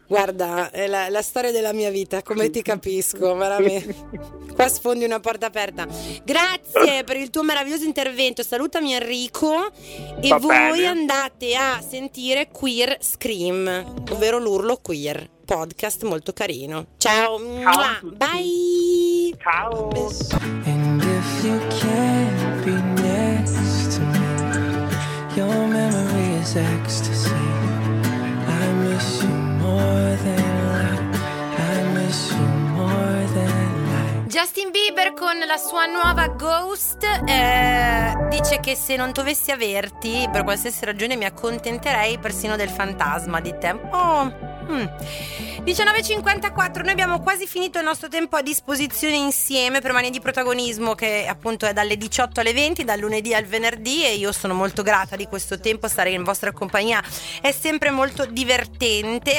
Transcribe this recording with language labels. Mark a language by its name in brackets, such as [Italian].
[Italian] Guarda, è la storia della mia vita, come ti capisco, veramente. Qua sfondi una porta aperta. Grazie per il tuo meraviglioso intervento, salutami Enrico. E va voi bene. Andate a sentire Queer Scream, ovvero l'urlo queer, podcast molto carino. Ciao, ciao, bye. Ciao. [English] And if you can't be next to me, your memory is ecstasy. I miss you more than life. I miss you more than life. [Italian] Justin Bieber con la sua nuova Ghost dice che se non dovessi averti per qualsiasi ragione mi accontenterei persino del fantasma di te. Oh. 19.54, noi abbiamo quasi finito il nostro tempo a disposizione insieme per Mani di Protagonismo, che appunto è dalle 18 alle 20, dal lunedì al venerdì, e io sono molto grata di questo tempo, stare in vostra compagnia è sempre molto divertente.